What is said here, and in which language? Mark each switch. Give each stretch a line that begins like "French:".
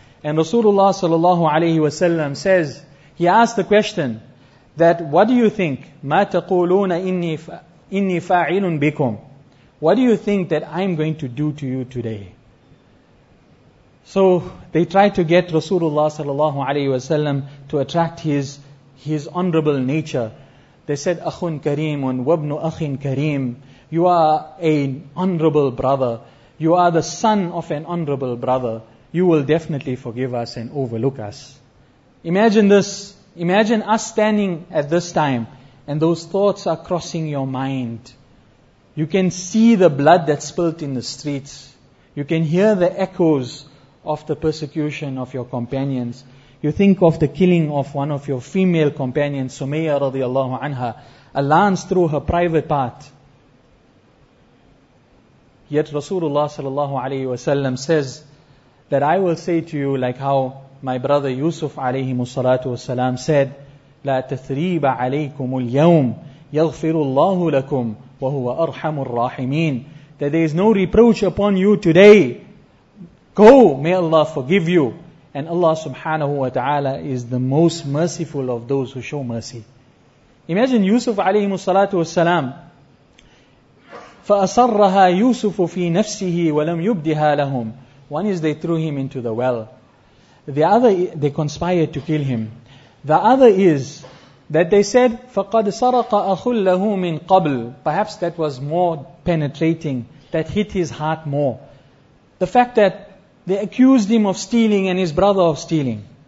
English: And Rasulullah sallallahu alayhi wa sallam says, he asked the question that, what do you think?
Arabic: مَا تَقُولُونَ إِنِّي فَاعِلٌ بِكُمْ.
English: What do you think that I'm going to do to you today? So they try to get Rasulullah sallallahu alayhi wa sallam to attract his honorable nature. They said,
Arabic: أَخٌ كَرِيمٌ وَابْنُ أَخٍ كَرِيمٌ.
English: You are an honorable brother. You are the son of an honorable brother. You will definitely forgive us and overlook us. Imagine this. Imagine us standing at this time and those thoughts are crossing your mind. You can see the blood that's spilt in the streets. You can hear the echoes of the persecution of your companions. You think of the killing of one of your female companions, Sumayya radiallahu anha, a lance through her private part. Yet Rasulullah sallallahu alayhi wa sallam says that I will say to you like how my brother Yusuf alayhi salatu wa salam said,
Arabic: لا تثريب عليكم اليوم يغفر الله لكم وهو أرحم الراحمين.
English: That there is no reproach upon you today. Go, may Allah forgive you. And Allah subhanahu wa ta'ala is the most merciful of those who show mercy. Imagine Yusuf alayhi salatu wa salam.
Arabic: فأصرها يوسف في نفسه ولم يبدها لهم.
English: One is they threw him into the well. The other, they conspired to kill him. The other is that they said,
Arabic: فَقَدْ سَرَقَ أَخُلْ لَهُ مِنْ قَبْلِ.
English: Perhaps that was more penetrating, that hit his heart more. The fact that they accused him of stealing and his brother of stealing.